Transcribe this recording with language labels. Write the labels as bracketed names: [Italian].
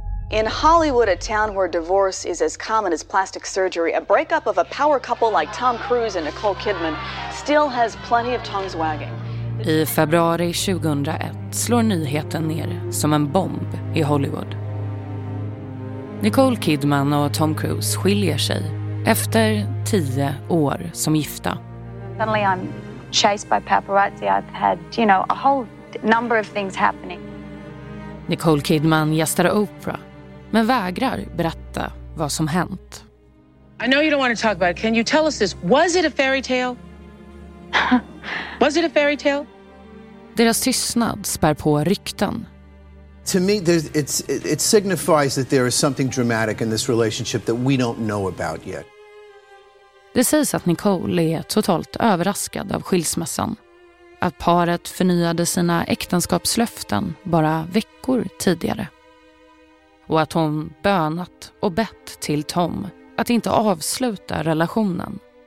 [English] In Hollywood, a town where divorce is as common as plastic surgery, a breakup of a power couple like Tom Cruise and Nicole Kidman still has plenty of tongues wagging. [Swedish] I februari 2001 slår nyheten ner som en bomb i Hollywood. Nicole Kidman och Tom Cruise skiljer sig efter 10 år som gifta. [English] Suddenly I'm chased by paparazzi. I've had, you know, a whole number of things happening. [Swedish] Nicole Kidman gästar Oprah, men vägrar berätta vad som hänt. [English] I know you don't want to talk about it. Can you tell us this? Was it a fairy tale? Was it a fairy tale? [Swedish] Deras tystnad spär på rykten. [English] To me, it signifies that there is something dramatic in this relationship that we don't know about yet. [Swedish] Det sägs att Nicole är totalt överraskad av skilsmässan. Att paret förnyade sina äktenskapslöften bara veckor tidigare. Och att hon bönat och bett till Tom att inte avsluta relationen.